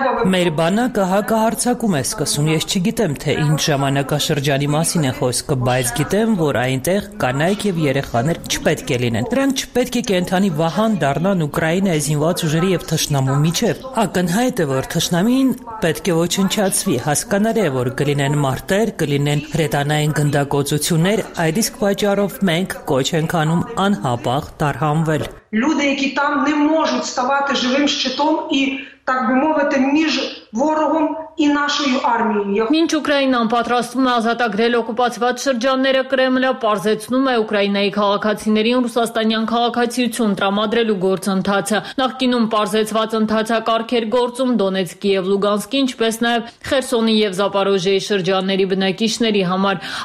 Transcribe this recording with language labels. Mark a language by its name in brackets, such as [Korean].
[Armenian] Մեր բանակը հակահարցակում է սկսում, ես չգիտեմ, թե ինչ ժամանակաշրջանի մասին է խոսքը, բայց գիտեմ, որ այնտեղ կանայք և երեխաներ չպետք է լինեն։ Դրանք չպետք է կենդանի վահան դառնան Ուկրաինայի զինված ուժերի և թշնամու միջև։ Ակնհայտ է, որ թշնամին պետք է ոչնչացվի, հասկանալ է, որ կլինեն մարտեր, կլինեն հրետանային գնդակոծություններ, այդ իսկ պատճառով մենք կոչ ենք անում անհապաղ տարհանվել։ [Ukrainian] Люди, які там не можуть ставати живим щитом і, так би мовити, між ворогом і нашою армією. [Armenian] Մինչ Ուկրաինան պատրաստվում է ազատագրել օկուպացված շրջանները, Կրեմլը պարզեցնում է Ուկրաինայի քաղաքացիներին ռուսաստանյան քաղաքացիություն տրամադրելու գործընթացը։ Նախկինում պարզեցված ընթացակարգեր գործում Դոնեցկի և Լուգանսկի, ինչպես նաև Խերսոնի և Զապարոժիայի շրջանների բնակիչների համար։